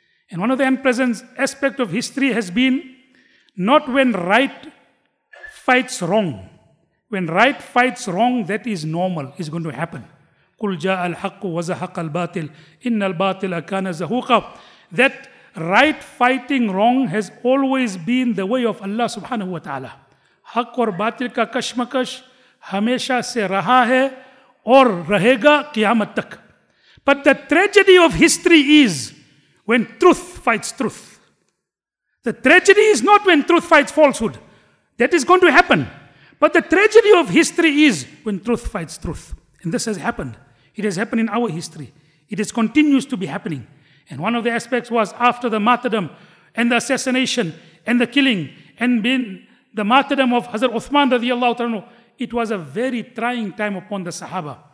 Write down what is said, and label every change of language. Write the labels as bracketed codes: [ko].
[en] And one of the unpleasant aspects of history has been not when right fights wrong. When right fights wrong, that is normal, is going to happen. [ar] قُلْ جَاءَ الْحَقُّ وَزَهَقَ الْبَاطِلِ إِنَّ الْبَاطِلَ كَانَ زَهُوقًا. [en] That right fighting wrong has always been the way of Allah subhanahu wa ta'ala. [ur] حق اور باطل کا کشمکش ہمیشہ سے رہا ہے اور رہے گا قیامت تک. [en] But the tragedy of history is when truth fights truth. The tragedy is not when truth fights falsehood. That is going to happen. But the tragedy of history is when truth fights truth. And this has happened. It has happened in our history. It has continues to be happening. And one of the aspects was after the martyrdom and the assassination and the killing and being the martyrdom of Hazrat Uthman radiallahu ta'ala, it was a very trying time upon the Sahaba.